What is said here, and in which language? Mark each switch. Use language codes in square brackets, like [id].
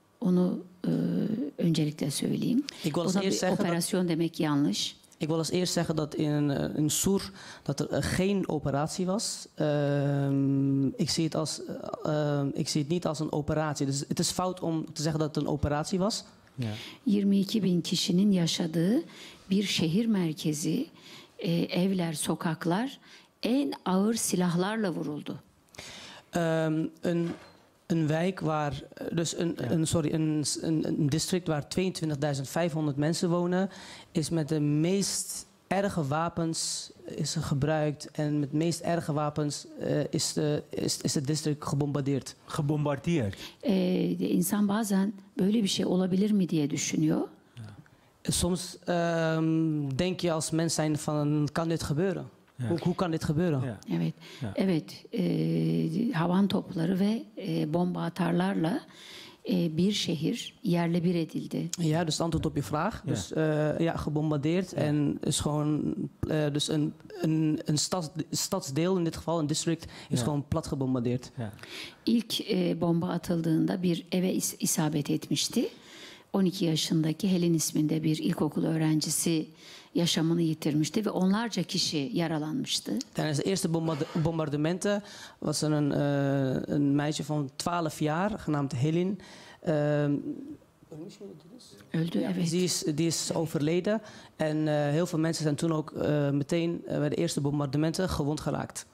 [tr] Onu öncelikle söyleyeyim. [nl] Ik wil als eerst zeggen [tr] operasyon [nl] dat, [tr] demek yanlış. [nl] Ik wil als eerst zeggen dat in Sur dat er geen operatie was. Ik zie het niet als een operatie. Dus het is fout om te zeggen dat het een operatie was. Ja. [tr] 22 bin kişinin yaşadığı bir şehir merkezi, evler, sokaklar en ağır silahlarla vuruldu. [nl] Een district waar 22.500 mensen wonen, is met de meest erge wapens is gebruikt. En met de meest erge wapens is het district gebombardeerd. Gebombardeerd? [tr] De insan bazen böyle bir şey olabilir mi diye düşünüyor. [nl] Ja. Soms denk je als mens zijn van, kan dit gebeuren? Ja. Hoe kan dit gebeuren? [tr] Ja. Evet, ja. Evet. Havan topları ve bomba atarlarla bir şehir yerle bir edildi. [nl] Ja, dus antwoord op je vraag. Ja. Dus gebombardeerd en is gewoon dus een stadsdeel in dit geval, een district, is gewoon plat gebombardeerd. Ja. [tr] İlk bomba atıldığında bir eve isabet etmişti. 12 yaşındaki Helen isminde bir ilkokul öğrencisi yaşamını yitirmişti ve onlarca kişi yaralanmıştı. [nl] Tijdens de eerste bombardementen was er een meisje van 12 jaar genaamd Helen [tr] Öldü, evet. [nl] Die is overleden. En heel veel mensen zijn toen ook meteen bij de eerste bombardementen gewond geraakt.